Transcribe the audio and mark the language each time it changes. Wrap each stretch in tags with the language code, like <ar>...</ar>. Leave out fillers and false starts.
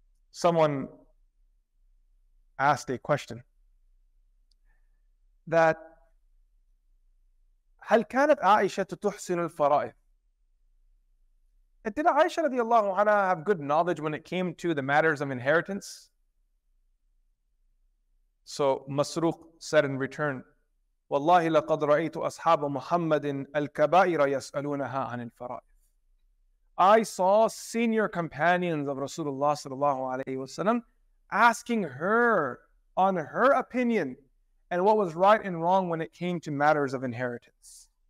<en>Someone asked a question that,</en> <ar>هل كانت عائشة تحسن الفرائض?</ar> <en>Did Aisha radiallahu anha have good knowledge when it came to the matters of inheritance? So Masruq said in return,</en> <ar>وَاللَّهِ لَقَدْ رَأَيْتُ أَصْحَابَ مُحَمَّدٍ الْكَبَائِرَ يَسْأَلُونَهَا عَنِ الْفَرَائِضِ.</ar> <en>I saw senior companions of Rasulullah sallallahu alayhi wa sallam asking her on her opinion and what was right and wrong when it came to matters of inheritance.</en>